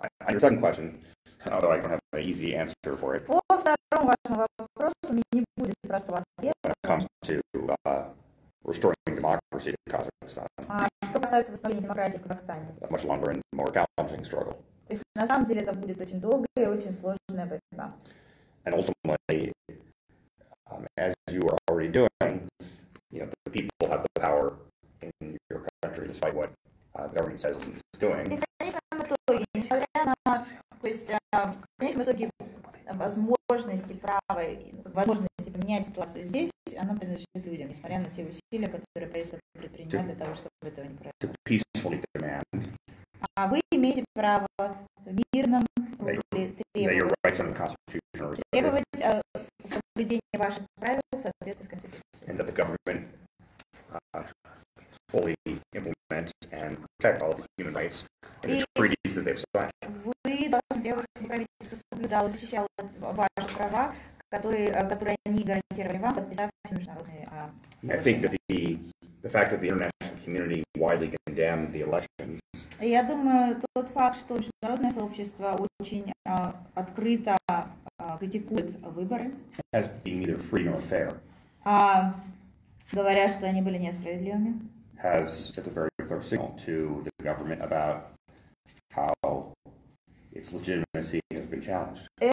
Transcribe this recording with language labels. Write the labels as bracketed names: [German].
[English] your second question, although I don't have an easy answer for it. [Russian] По второму вашему вопросу у меня не будет простого ответа. [English] When it comes to restoring democracy in Kazakhstan. [Russian] Что касается восстановления демократии в Казахстане. [English] A much longer and more challenging struggle. [Russian] То есть на самом деле это будет очень долгая и очень сложная борьба. [English] And ultimately, as you are already doing, you know, the people have the power in your country despite what the government says it's doing. [Russian] То есть, в конечном итоге, возможности поменять ситуацию здесь, она принадлежит людям, несмотря на те усилия, которые правительство предпринимает для того, чтобы этого не произошло. А вы имеете право в мирном требовать соблюдения ваших правил в соответствии с Конституцией. [English] And that the government fully implement and protect all the human rights and the treaties that they've signed. [Russian] Вы должны требовать, чтобы правительство соблюдало, защищало ваши права, которые они гарантировали вам, подписав все международные соглашения. [English] I think that the fact that the international community widely condemned the elections. [Russian] Я думаю, тот факт, что международное сообщество очень открыто критикует выборы. [English] As being neither free nor fair. [Russian] Говоря, что они были несправедливыми. [English] Has sent a very clear signal to the government about how its legitimacy has been challenged.